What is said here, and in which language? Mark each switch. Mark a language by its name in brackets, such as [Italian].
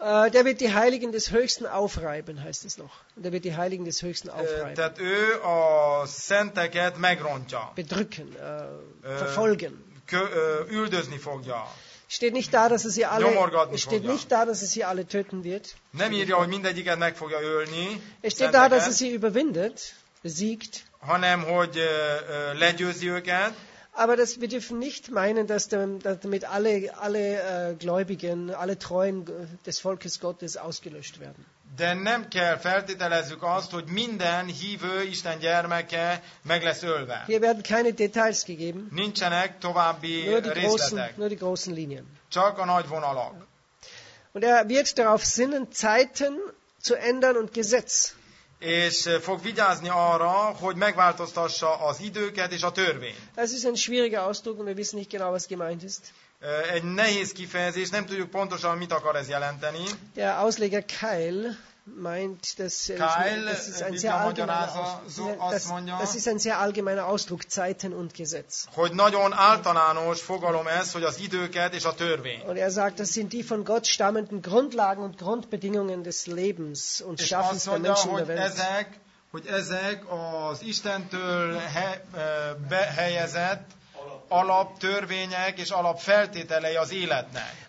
[German] Der wird die Heiligen des Höchsten aufreiben, heißt es noch. Der wird die Heiligen des Höchsten aufreiben. [Hungarian] Tehát ő a szenteket megrontja. [German] Bedrücken, verfolgen. [Hungarian] Üldözni fogja. [German] Steht nicht da, dass es sie alle. Töten wird. [Hungarian] Nem írja, hogy mindegyiket meg fogja ölni. [German] Es steht da, dass es sie überwindet, besiegt. [Hungarian] Hanem, hogy legyőzi őket. [German] Aber das, wir dürfen nicht meinen, dass damit alle Gläubigen, alle Treuen des Volkes Gottes ausgelöscht werden. [Hungarian] De nem kell feltételezzük azt, hogy minden hívő Isten gyermeke meg lesz ölve. [German] Hier werden keine Details gegeben. [Hungarian] Nincsenek további részletek. [German] Nur die großen Linien. [Hungarian] Csak a nagy vonalak. [German] Und er wird darauf sinnen, Zeiten zu ändern und Gesetz. [Hungarian] És fog vigyázni arra, hogy megváltoztassa az időket és a törvényt. [German] Das ist ein schwieriger Ausdruck und wir wissen nicht genau, was gemeint ist. [Hungarian] Egy nehéz kifejezés, nem tudjuk pontosan, mit akar ez jelenteni. [German] Der Ausleger Keil meint, das ist ein sehr allgemeiner Ausdruck, Zeiten und Gesetz. [Hungarian] Hogy nagyon általános fogalom ez, hogy az időket és a törvény. [German] Und er sagt, das sind die von Gott stammenden Grundlagen und Grundbedingungen des Lebens und Schaffens der Menschen in der Welt. [Hungarian] Hogy ezek az Istentől behelyezett alaptörvények és alapfeltételei az életnek,